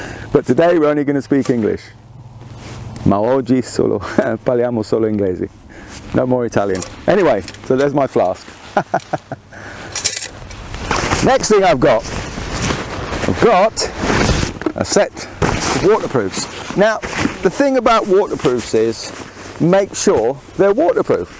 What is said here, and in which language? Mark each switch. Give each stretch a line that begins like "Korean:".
English: But today we're only going to speak English.
Italian: Ma oggi solo parliamo solo inglese.
English: No more Italian. Anyway, so there's my flask. Next thing I've got a set of waterproofs. Now, the thing about waterproofs is make sure they're waterproof.